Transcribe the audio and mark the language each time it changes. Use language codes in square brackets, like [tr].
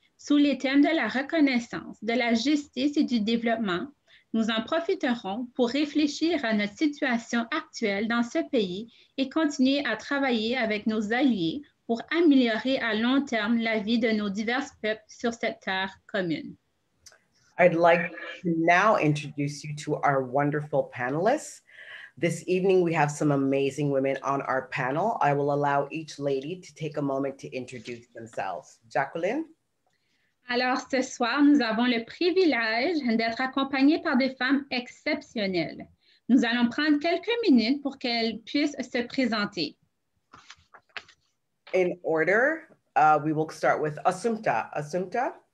[fr] Sous les thèmes de la reconnaissance, de la justice et du développement, nous en profiterons pour réfléchir à notre situation actuelle dans ce pays et continuer à travailler avec nos alliés pour améliorer à long terme la vie de nos divers peuples sur cette terre commune. [en] I'd like to now introduce you to our wonderful panelists. This evening, we have some amazing women on our panel. I will allow each lady to take a moment to introduce themselves. Jacqueline? [fr] Alors, ce soir, nous avons le privilège d'être accompagnées par des femmes exceptionnelles. Nous allons prendre quelques minutes pour qu'elles puissent se présenter. [en] In order, we will start with Assumpta. Assumpta?